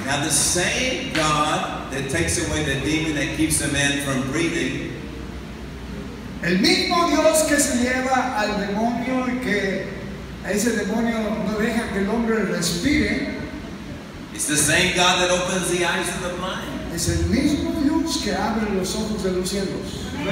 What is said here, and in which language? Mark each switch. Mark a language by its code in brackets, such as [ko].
[en] Same God that takes away the demon that keeps a man from breathing. [es] El mismo Dios que se lleva al demonio y que ese demonio no deja que el hombre respire. [en] It's the same God that opens the eyes of the blind. [es] Es el mismo Dios que abre los ojos de los ciegos.